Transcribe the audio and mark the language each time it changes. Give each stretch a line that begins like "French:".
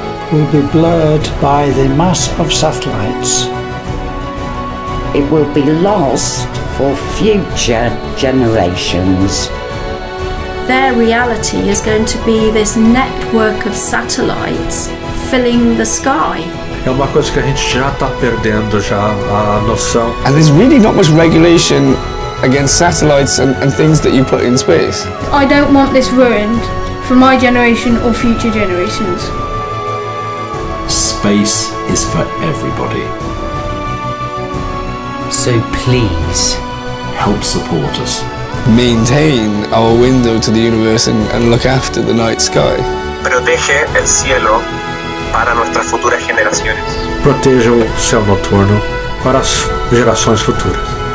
English: will be blurred by the mass of satellites. It will be lost for future generations. Their reality is going to be this network of satellites filling the sky.
Portuguese: É uma coisa que a gente já está perdendo já a noção.
English: And there's really not much regulation against satellites and things that you put in space. I don't want this ruined for my generation or future generations. Space is for everybody. So please, help support us. Maintain our window to the universe and look after the night sky.
Spanish: Protege el cielo para nuestras futuras generaciones.
Portuguese: Proteja o céu noturno para as gerações futuras.